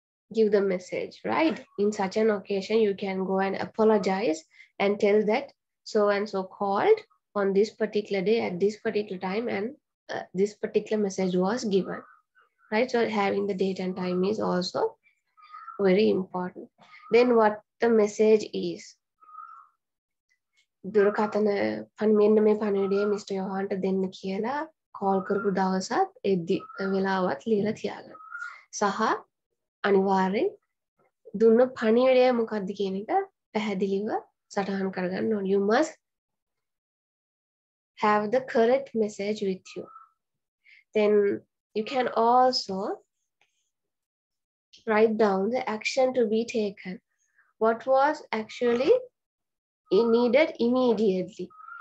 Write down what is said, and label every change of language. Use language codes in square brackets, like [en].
[en] give the message, right? In such an occasion, you can go and apologize and tell that so-and-so called on this particular day at this particular time and this particular message was given, right? So having the date and time is also very important. Then what the message is. [si] දුරකථන පණ මෙන්න මේ පණිවිඩය mister යොහාන්ට දෙන්න කියලා call කරපු දවසත් එද්දි වෙලාවත් ලියලා තියාගන්න. සහ අනිවාර්යෙන් දුන්න පණිවිඩය මොකද්ද කියන එක පැහැදිලිව සටහන් කරගන්න ඕනේ. [en] You must have the correct message with you. Then you can also write down the action to be taken. What was actually needed immediately.